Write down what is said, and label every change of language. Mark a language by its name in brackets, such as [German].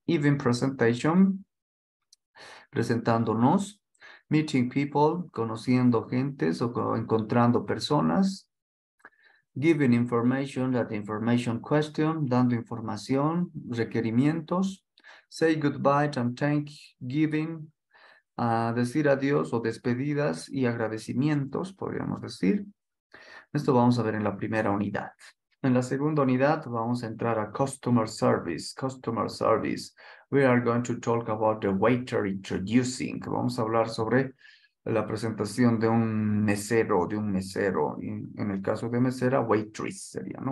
[English] Even presentation, [Spanish] presentándonos, [English] meeting people, [Spanish] conociendo gentes o encontrando personas, [English] giving information, that information question, [Spanish] dando información, requerimientos. [English] Say goodbye and thank giving, [Spanish] decir adiós o despedidas y agradecimientos, podríamos decir. Esto vamos a ver en la primera unidad. En la segunda unidad vamos a entrar a customer service. [English] We are going to talk about the waiter introducing. [Spanish] Vamos a hablar sobre la presentación de un mesero. En el caso de mesera, waitress sería, ¿no?